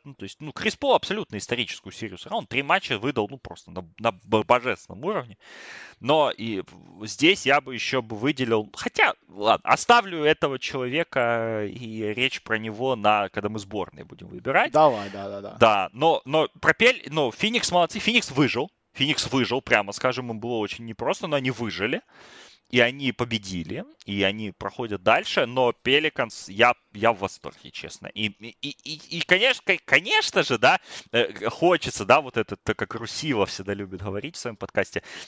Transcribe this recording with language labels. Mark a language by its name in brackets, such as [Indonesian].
[Russian] Ну, то есть, ну, Крис Пол абсолютно историческую серию сыграл. Он 3 матча выдал, ну, просто на божественном уровне. Но и здесь я бы еще бы выделил... Хотя, ладно, оставлю этого человека и речь про него, когда мы сборные будем выбирать. Давай, да. Да, но Феникс молодцы. Феникс выжил. [Ukrainian] Фінікс вижив, прямо скажемо, було дуже непросто, але вони вижили. І вони победили, і вони проходять далі, но Pelicans, [Russian] я в восторге, [Ukrainian] чесно. [Russian] І, конечно же, да, хочеться, да, вот это, так как Русіва всегда любит говорить в своем подкасте.